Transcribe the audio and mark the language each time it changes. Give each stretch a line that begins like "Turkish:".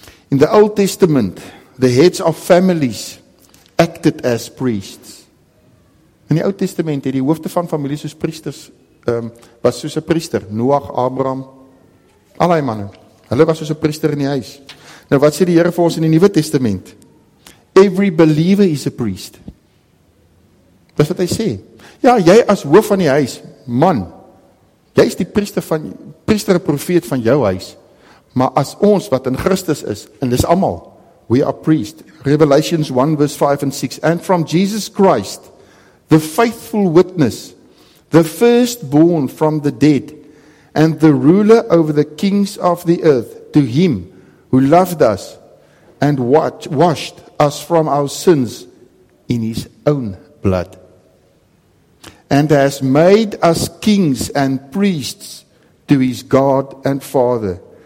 English: In the Old Testament, the heads of families acted as priests.
Afrikaans: In die Ou Testament het die hoofde van families soos priesters, was soos 'n priester, Noag, Abraham, al die manne. Hulle was soos 'n priester in die huis. Nou wat sê die Here vir ons in die Nuwe Testament?
English: Every believer is a priest.
Afrikaans: Dis wat hy sê. Ja, jy as hoof van die huis, man, jy is die priester van priester en profeet van jou huis. Maar as ons wat in Christus is, en dis almal,
English: we are priests. Revelations 1 verse 5 and 6 and from Jesus Christ the faithful witness, the firstborn from the dead, and the ruler over the kings of the earth, to him who loved us and washed us from our sins in his own blood, and has made us kings and priests to his God and Father.